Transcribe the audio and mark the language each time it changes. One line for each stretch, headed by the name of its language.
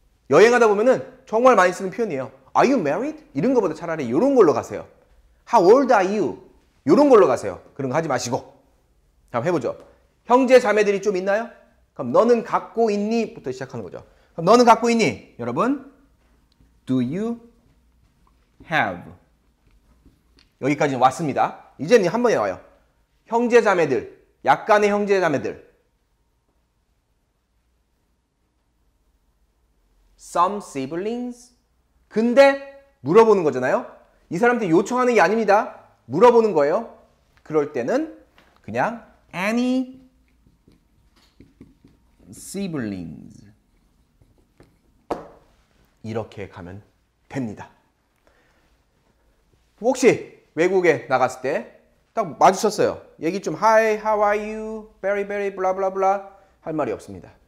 Korean: 여행하다 보면은 정말 많이 쓰는 표현이에요.
English: Are you married?
Korean: 이런 것보다 차라리 이런 걸로 가세요.
English: How old are you?
Korean: 이런 걸로 가세요. 그런 거 하지 마시고. 한번 해보죠. 형제 자매들이 좀 있나요? 그럼 너는 갖고 있니? 부터 시작하는 거죠. 그럼 너는 갖고 있니?
English: 여러분, do you have?
Korean: 여기까지 왔습니다. 이제는 한 번에 와요. 형제 자매들, 약간의 형제 자매들.
English: Some siblings?
Korean: 근데 물어보는 거잖아요. 이 사람한테 요청하는 게 아닙니다. 물어보는 거예요. 그럴 때는 그냥 any siblings 이렇게 가면 됩니다. 혹시 외국에 나갔을 때 딱 마주쳤어요. 얘기 좀
English: Hi, how are you? Very, very, blah, blah, blah
Korean: 할 말이 없습니다.